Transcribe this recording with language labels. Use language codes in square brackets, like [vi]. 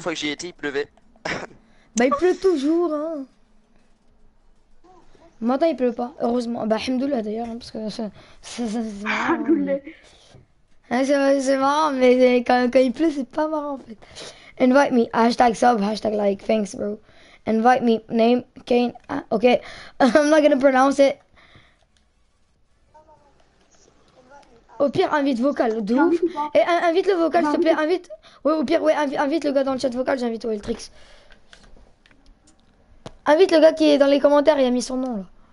[fr] fois que j'y étais, il pleuvait. Bah, il pleut toujours, hein! Maintenant il pleut pas, heureusement. Bah, alhamdoulilah d'ailleurs, hein, parce que c'est marrant, mais. C'est marrant, mais quand il pleut, c'est pas marrant en fait. [en] Invite me, hashtag sub, hashtag like, thanks bro. Invite me, name, Kane, ok, I'm not gonna pronounce it. [fr] Au pire, invite vocal, de ouf. Et invite le vocal, s'il te plaît, invite. Ouais, au pire, ouais, invite le gars dans le chat vocal, j'invite Weltrix. Invite le gars qui est dans les commentaires, il a mis son nom là.